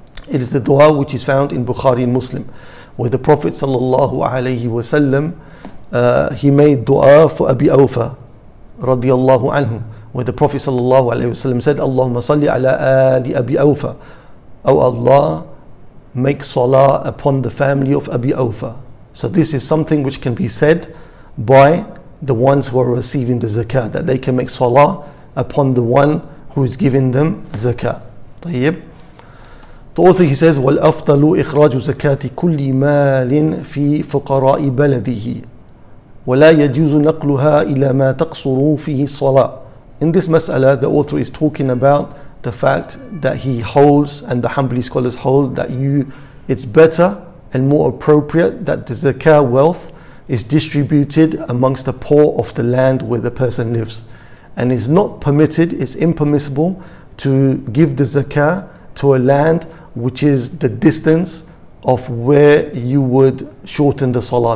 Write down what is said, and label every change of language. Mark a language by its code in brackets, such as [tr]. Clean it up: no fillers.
[en] It is the dua which is found in Bukhari and Muslim, where the Prophet sallallahu alayhi wa sallam, he made dua for Abi Awfa radiallahu anhu, where the Prophet sallallahu alayhi wa sallam said, Allahumma salli ala ali Abi Awfa, O Allah, make salah upon the family of Abi Awfa. So this is something which can be said by the ones who are receiving the zakah, that they can make salah upon the one who is giving them zakah. [ar] طيب. [en] The author, he says, [ar] وَالْأَفْضَلُ إِخْرَاجُ زَكَاتِ كُلِّ مَالٍ فِي فُقَرَاءِ بَلَدِهِ وَلَا يَجُوزُ نَقْلُهَا إِلَى مَا تَقْصُرُ فِيهِ صَلَاةِ. [en] In this mas'ala, the author is talking about the fact that he holds, and the Hanbali scholars hold, that it's better and more appropriate that the zakah wealth is distributed amongst the poor of the land where the person lives. And is not permitted, it's impermissible to give the zakah to a land which is the distance of where you would shorten the salah.